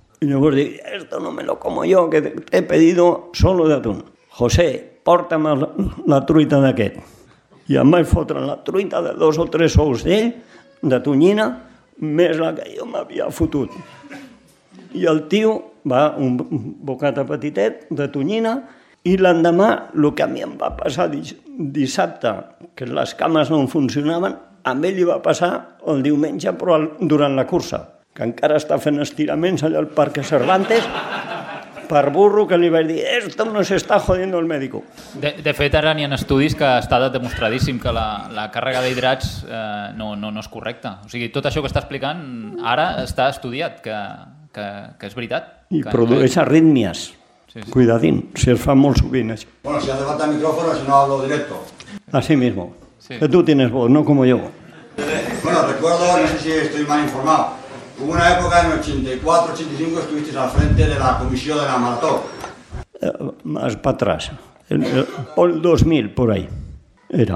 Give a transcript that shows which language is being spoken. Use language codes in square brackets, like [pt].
[ca] I llavors dic, [es] esto no me lo como yo, que he pedido solo de atún. [ca] José, porta'm la truita d'aquest. I em vaig fotre la truita de dos o tres ous d'ell, de tonyina, més la que jo m'havia fotut. I el tio va un bocata petitet de tonyina, i l'endemà, el que a mi em va passar dissabte, que les cames no funcionaven, a ell li va passar el diumenge però durant la cursa, que encara està fent estiraments allà al Parc Cervantes, per burro que li vaig dir [es] «Esto nos está jodiendo el médico». [ca] De fet, ara n'hi ha estudis que està demostradíssim que la càrrega d'hidrats no és correcta. O sigui, tot això que està explicant ara està estudiat, que és veritat. I que produeix arrítmies. Sí, sí. Cuidadín, si es fa molt sovint això. [es] Bueno, si hace falta micrófono, si no hablo directo. Así mismo. Sí. Que tú tienes voz, no como yo. Bueno, recuerdo, no sé si estoy mal informado, hubo una época en 84-85 estuviste al frente de la comisión de la Marató. Más para atrás, el 2000, por ahí, era.